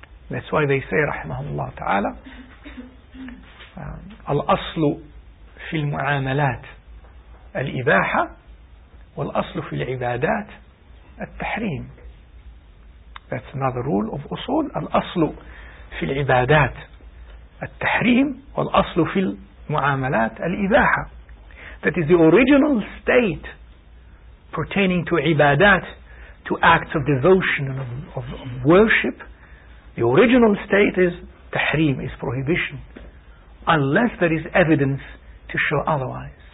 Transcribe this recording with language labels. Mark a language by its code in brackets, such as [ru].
[en] That's why they say, rahimahullah ta'ala, [ar] al-aslu fil mu'amalat al-ibaha wal-aslu fil ibadat al-tahrim. [en] That's another rule of usul. [ar] Al-aslu في العبادات التحريم والأصل في المعاملات الإباحة. [en] That is the original state pertaining to ibadat, to acts of devotion and of worship. The original state is تحريم, is prohibition, unless there is evidence to show otherwise.